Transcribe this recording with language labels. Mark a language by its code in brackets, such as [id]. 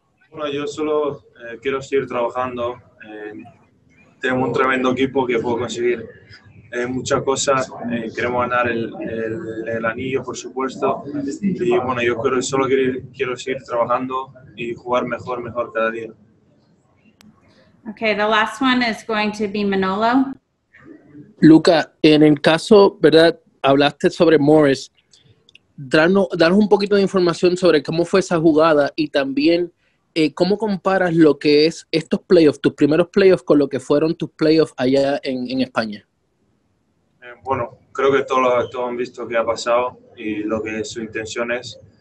[es] Bueno, yo solo quiero seguir trabajando. Tenemos un tremendo equipo que puedo conseguir muchas cosas. Queremos ganar el anillo, por supuesto. Y bueno, yo quiero seguir trabajando y jugar mejor cada día. [en] Okay, the last one is going to be Manolo. [es] Luka, en el caso, ¿verdad? Hablaste sobre Morris. Danos un poquito de información sobre cómo fue esa jugada y también cómo comparas lo que es estos playoffs, tus primeros playoffs, con lo que fueron tus playoffs allá en España. Bueno, creo que todos han visto qué ha pasado y lo que su intención es.